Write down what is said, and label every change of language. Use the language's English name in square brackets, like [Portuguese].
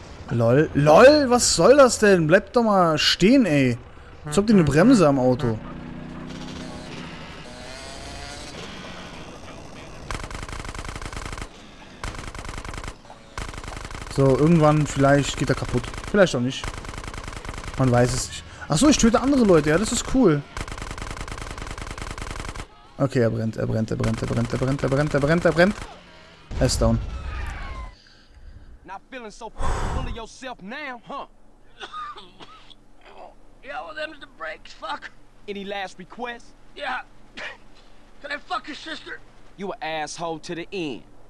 [German] Lol, lol, was soll das denn? Bleib doch mal stehen, ey. Jetzt habt ihr eine Bremse am Auto. So, irgendwann vielleicht geht er kaputt. Vielleicht auch nicht. Man weiß es nicht. Achso, ich töte andere Leute. Ja, das ist cool. Okay, er brennt, er brennt, er brennt, er brennt, er brennt, er brennt, er brennt, er brennt. Er ist down. [English] Not feeling so full of yourself now, huh? Yeah, well, them to the brakes, fuck. Any last request? Yeah. Can I fuck your sister? You an asshole to the end.